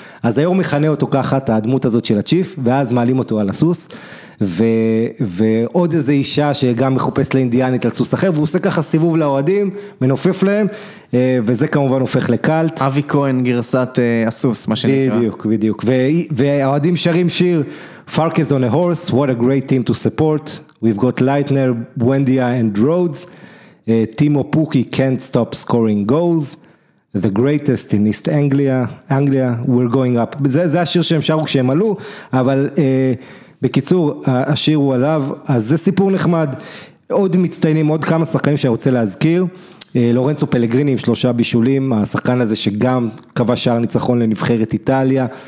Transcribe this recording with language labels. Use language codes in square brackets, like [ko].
[he] אז היור מכנה אותו ככה, הדמות הזאת של הצ'יף, ואז מעלים אותו על הסוס, ועוד איזה אישה שגם מחופש לאינדיאנית על סוס אחר, והוא עושה ככה סיבוב לאוהדים, מנופף להם, וזה כמובן הופך לקלט. אבי כהן גרסת הסוס, מה שנקרא. בדיוק, בדיוק. והאוהדים שרים שיר, [en] Fark is on a horse, what a great team to support, we've got Leitner, Buendia and Rhodes, Timo Pukki can't stop scoring goals, the greatest in East Anglia, Anglia, we're going up. [he] זה השיר שהם שרו כשהם עלו, אבל בקיצור, השיר הוא עליו, אז זה סיפור נחמד, עוד מצטיינים, עוד כמה שחקנים שאני רוצה להזכיר, לורנצו פלגריני עם שלושה בישולים, השחקן הזה שגם קבע שער ניצחון לנבחרת איטליה,